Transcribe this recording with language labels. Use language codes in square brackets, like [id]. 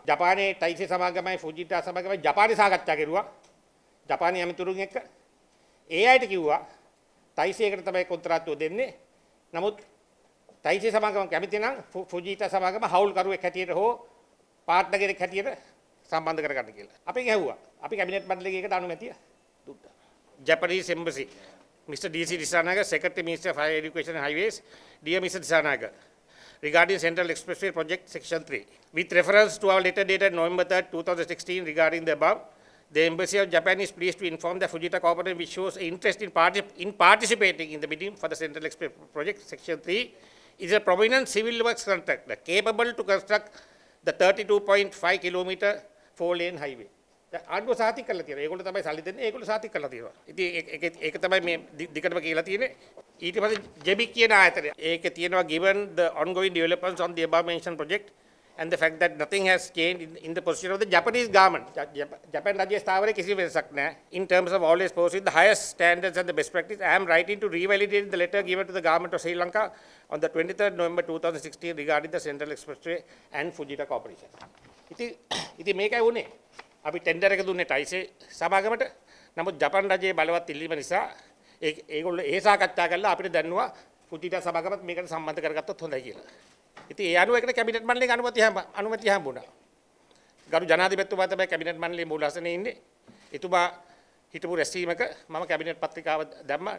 [si] ජපානයේ ටයිසේ සමාගමයි ෆුජීටා සමාගමයි ජපානයේ සාකච්ඡා කෙරුවා ජපානයේ ඇමතිතුරුන් එක්ක. ඒ අයට කිව්වා තයිසේකට තමයි කොන්ත්‍රාත්තුව දෙන්නේ. නමුත් තයිසේ සමාගම කැමති නම් ෆුජීටා සමාගම හවුල්කරුවෙක් හැටියට හෝ පාර්ට්නගෙක් හැටියට සම්බන්ධ කරගන්න කියලා අපි ගැහුවා. අපි කැබිනට් මණ්ඩලයේ එකට අනුමැතිය දුන්නා. [en] Japanese embassy mister D C Dissanayake secretary minister higher education highways dear mister Dissanayake regarding central expressway project section 3 with reference to our letter dated November 3 2016 regarding the above the embassy of japan is pleased to inform the fujita corporation which shows interest in participating in the bidding for the central expressway project section 3 is a prominent civil works contractor capable to construct the 32.5 km 4 lane highway [si] ආණ්ඩුව සාතික කරලා තියෙනවා. ඒගොල්ලෝ තමයි සල්ලි දෙන්නේ. ඒගොල්ලෝ සාතික කරලා තියෙනවා. ඉතින් ඒක තමයි මේ දිකටම කියලා තියෙන්නේ. ඊට පස්සේ ජෙබි කියන ආයතනය. ඒකේ තියෙනවා [en] given the ongoing developments on the above mentioned project and the fact that nothing has changed in the position of the japanese government. [si] ජපන් රජය ස්ථාවරයේ කිසි වෙනසක් නැහැ. [en] In terms of always pursuing the highest standards and the best practice, I am writing to revalidate the letter given to the government of sri lanka on the 23rd november 2016 regarding the central expressway and fujita corporation. [si] ඉතින් මේකයි උනේ. අපි tender එක දුන්නේ ටයිසේ සමාගමට. නමුත් ජපාන් රජයේ බලවත් ඉල්ලීම නිසා ඒගොල්ලෝ ඒ සාකච්ඡා කළා. අපිට දැනුවා ෆුජීටා සමාගමත් මේකට සම්බන්ධ කරගත්තොත් හොඳයි කියලා. ඉතින් ඒ අනුව එකට කැබිනට් මණ්ඩලයේ අනුමැතිය හම්බුණා. ගරු ජනාධිපතිතුමා තමයි කැබිනට් මණ්ඩලයේ මූලාසනයේ ඉන්නේ. එතුමා හිටපු රැස්වීමක මම කැබිනට් පත්‍රිකාව දැම්මා.